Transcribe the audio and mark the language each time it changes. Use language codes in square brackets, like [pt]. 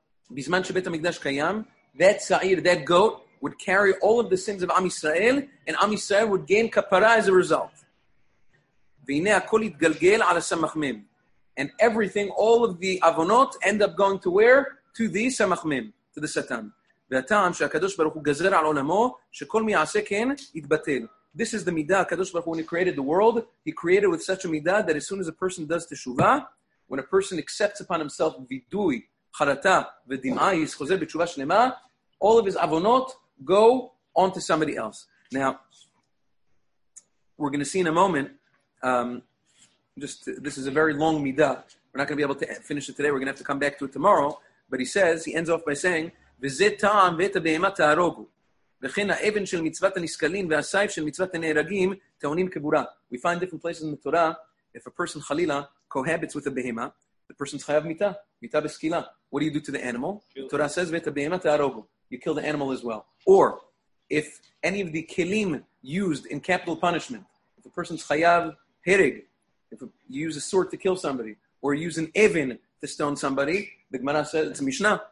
[he] בזמן שבית המקדש קיים, [en] that sa'ir, that goat, would carry all of the sins of Am Yisrael, and Am Yisrael would gain kapara as a result. [he] והנה הכל יתגלגל על הסמחמם. [en] And everything, all of the avonot, end up going to where? To the סמחמם, to the satan. [he] והטעם שהקדוש ברוך הוא גזר על עולמו, שכל מי יעשה כן, יתבטל. [en] This is the midah, הקדוש ברוך הוא, when he created the world, he created with such a midah that as soon as a person does teshuvah, when a person accepts upon himself vidui, charata, ודמעה, he's [he] חוזר בתשובה שלמה, [en] all of his avonot go on to somebody else. Now, we're going to see in a moment, this is a very long midah. We're not going to be able to finish it today, we're going to have to come back to it tomorrow, but he says, he ends off by saying, [he] וזה טעם ואת הבהמה תהרוגו. וכן האבן של מצוות הנסקלים והסייף של מצוות הנהרגים טעונים כבורה. [en] We find different places in the Torah, if a person חלילה cohabits with a behema, the person's חייב מיטה, [he] מיטה בסקילה. [en] What do you do to the animal? The Torah says, [he] ואת הבהמה תהרוגו. [en] You kill the animal as well. Or, if any of the kelim used in capital punishment, if a person's חייב הרג, if you use a sword to kill somebody, or use an אבן to stone somebody, the Gemara says, it's a Mishnah.